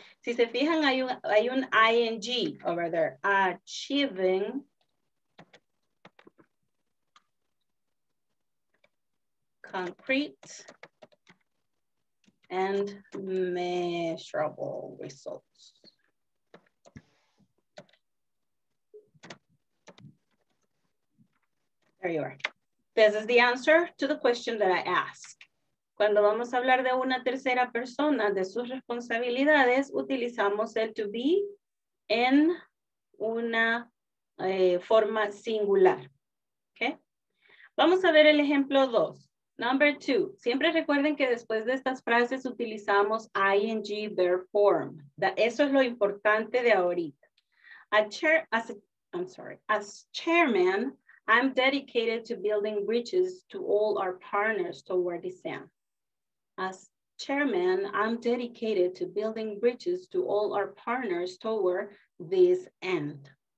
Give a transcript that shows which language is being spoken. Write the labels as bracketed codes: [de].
[es] Si se fijan, hay un ing [en] over there, achieving concrete and measurable results. There you are. This is the answer to the question that I ask. [es] Cuando vamos a hablar de una tercera persona, de sus responsabilidades, utilizamos el to be en una forma singular. Okay? Vamos a ver el ejemplo 2. [en] Number 2. [es] Siempre recuerden que después de estas frases utilizamos ing verb form. Eso es lo importante de ahorita. [en] As chairman, I'm dedicated to building bridges to all our partners toward this end. As chairman, I'm dedicated to building bridges to all our partners toward this end.